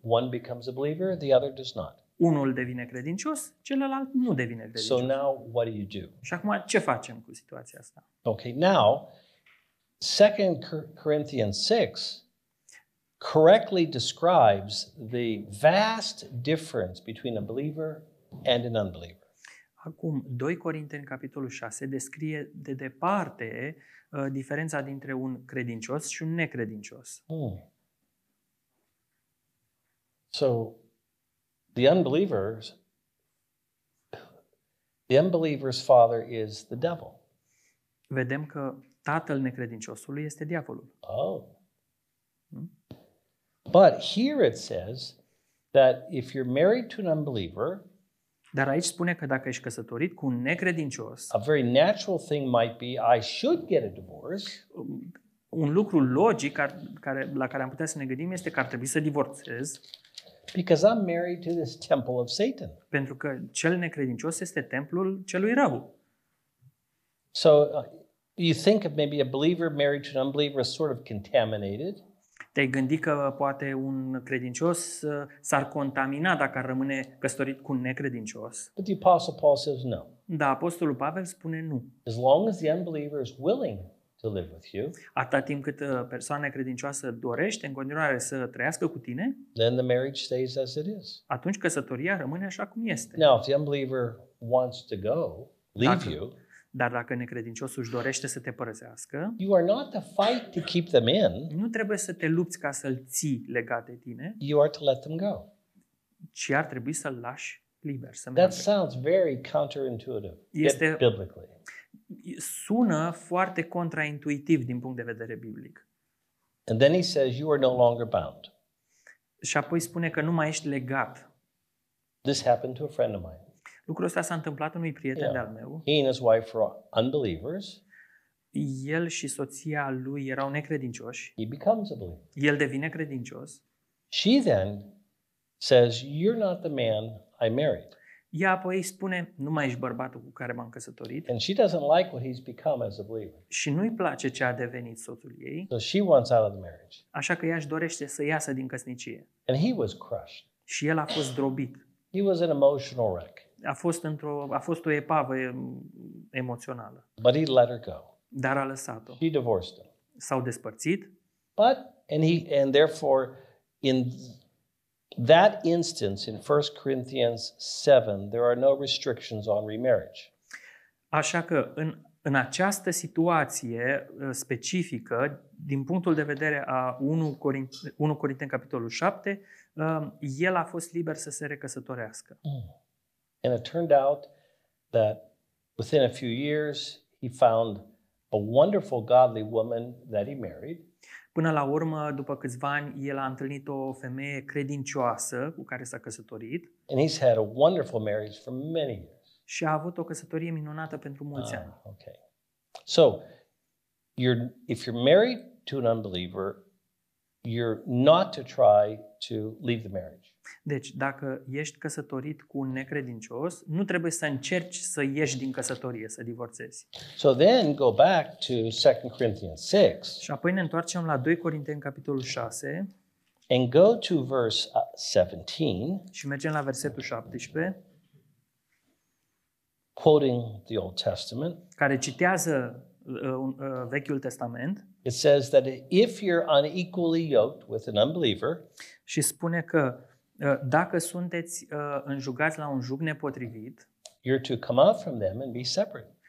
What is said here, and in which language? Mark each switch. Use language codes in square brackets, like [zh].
[en] One becomes a believer, the other does not. [ro] Unul devine credincios, celălalt nu devine credincios. [en] So now what do you do? [ro] Și acum ce facem cu situația asta? [en] Okay, now 2 Corinthians 6 correctly describes the vast difference between a believer and an unbeliever. [ro] Acum 2 Corinteni capitolul 6 descrie de departe diferența dintre un credincios și un necredincios. [en] So The unbeliever's father is the devil. [ro] Vedem că tatăl necredinciosului este diavolul. Oh. [en] But here it says that if you're married to an unbeliever, [ro] dar aici spune că dacă ești căsătorit cu un necredincios, [en] a very natural thing might be I should get a divorce. [ro] Un lucru logic la care am putea să ne gândim este că ar trebui să divorțez. [en] Because I'm married to this temple of Satan. [ro] Pentru că cel necredincios este templul celui rău. [en] So you think of maybe a believer married to an unbeliever is sort of contaminated? [ro] Te-ai gândit că poate un credincios s-ar contamina dacă ar rămâne căsătorit cu un necredincios? [en] But the Apostle Paul says no. [ro] Da, apostolul Pavel spune nu. [en] As long as the unbeliever is willing to live with you. [ro] Atât timp cât persoana credincioasă dorește în continuare să trăiască cu tine, [en] then the marriage stays as it is. [ro] Atunci căsătoria rămâne așa cum este. [en] Now, if the unbeliever wants to go, leave you. [ro] Dar dacă necredinciosul își dorește să te părăsească, [en] you are not to fight to keep them in. [ro] Nu trebuie să te lupți ca să-l ții legat de tine. [en] You are to let them go. [ro] Ci ar trebui să-l lași liber, să meargă. [en] That sounds very counterintuitive. [ro] Este [en] biblically. [ro] Sună foarte contraintuitiv din punct de vedere biblic. [en] And then he says you are no longer bound. [ro] Și apoi spune că nu mai ești legat. [en] This happened to a friend of mine. [ro] Lucrul ăsta s-a întâmplat unui prieten de-al meu. [en] He and his wife were unbelievers. [ro] El și soția lui erau necredincioși. [en] He becomes a believer. [ro] El devine credincios. [en] She then says, "You're not the man I married." [ro] Ea apoi spune, "Nu mai ești bărbatul cu care m-am căsătorit." [en] And she doesn't like what he's become as a believer. [ro] Și nu-i place ce a devenit soțul ei. [en] So she wants out of the marriage. [ro] Așa că ea își dorește să iasă din căsnicie. [en] And he was crushed. [ro] Și el a fost zdrobit. [en] He was an emotional wreck. [ro] A fost o epavă emoțională. [en] But he let her go. [ro] Dar a lăsat-o. [en] She divorced him. [ro] S-au despărțit. [en] But and therefore in that instance in 1 Corinthians 7 there are no restrictions on remarriage. [ro] Așa că în această situație specifică din punctul de vedere a 1 Corinteni capitolul 7, el a fost liber să se recăsătorească. Mm. [en] And it turned out that within a few years he found a wonderful godly woman that he married. [ro] Până la urmă, după câțiva ani, el a întâlnit o femeie credincioasă cu care s-a căsătorit. [en] And he's had a wonderful marriage for many years. [ro] Și a avut o căsătorie minunată pentru mulți ani. [en] Okay. So, if you're married to an unbeliever, you're not to try to leave the marriage. [ro] Deci, dacă ești căsătorit cu un necredincios, nu trebuie să încerci să ieși din căsătorie, să divorțezi. [en] So then go back to 2 Corinthians 6. [ro] Și apoi ne întoarcem la 2 Corinteni capitolul 6. [en] And go to verse 17. [ro] Și mergem la versetul 17. [en] Quoting the Old Testament. [ro] Care citează Vechiul Testament. [en] It says that if you're unequally yoked with an unbeliever, [ro] și spune că dacă sunteți înjugați la un jug nepotrivit, [en] you're to come out from them and be separate.